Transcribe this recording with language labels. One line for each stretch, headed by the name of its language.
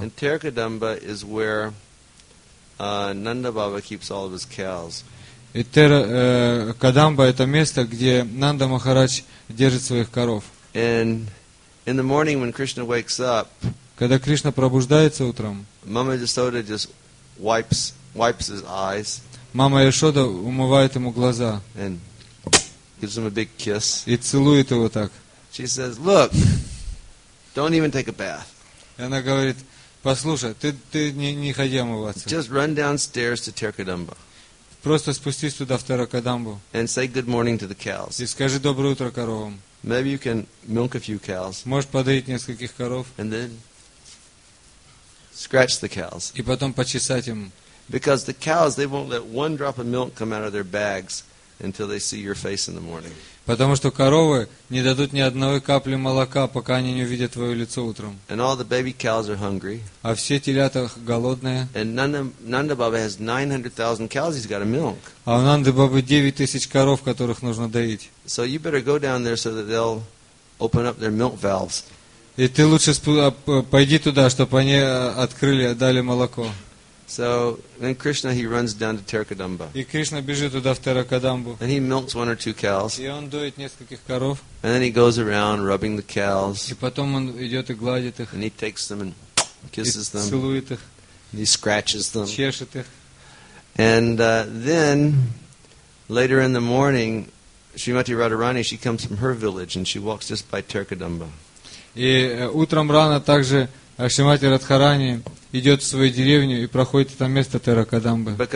English: And Terakadamba is where Nanda Baba keeps all of his cows.
Russian: Кадамба — это место, где Нанда Махарадж держит своих коров.
English: And in the morning when Krishna wakes up,
Russian: когда Кришна пробуждается утром,
English: Mama Yashoda just wipes his eyes.
Russian: Мама Яшода умывает ему глаза.
English: And gives him a big kiss.
Russian: И целует его так.
English: She says, "Look, don't even take a bath."
Russian: И она говорит: послушай, ты не ходи омываться.
English: Just run downstairs to Terkadamba.
Russian: Просто спустись туда, в Терракадамбу.
English: And say good morning to the cows.
Russian: И скажи доброе утро коровам.
English: Maybe you can milk a few cows.
Russian: Можешь подоить нескольких коров.
English: And then scratch the cows.
Russian: И потом почесать им.
English: Because the cows, they won't let one drop of milk come out of their bags until they see your face in the morning.
Russian: Потому что коровы не дадут ни одной капли молока, пока они не увидят твое лицо утром.
English: And all the baby cows are hungry.
Russian: А все телята голодные.
English: And Nanda Baba has 900,000 cows he's got to milk.
Russian: А у Нанды Бабы 9,000 коров, которых нужно доить.
English: So you better go down there so that they'll open up their milk valves.
Russian: И ты лучше пойди туда, чтобы они открыли, дали молоко.
English: So then Krishna he runs down to Terkadamba.
Russian: И Кришна бежит туда, в Терракадамбу.
English: And he milks one or two cows.
Russian: И он доит нескольких коров.
English: And then he goes around rubbing the cows.
Russian: И потом он идет и гладит их.
English: And he takes them and kisses them.
Russian: И целует их.
English: And he scratches them.
Russian: Чешет их.
English: And then later in the morning, Srimati Radharani she comes from her village and she walks just by Terkadamba.
Russian: И утром рано также Шримати Радхарани идет в свою деревню и проходит это место Терракадамбы.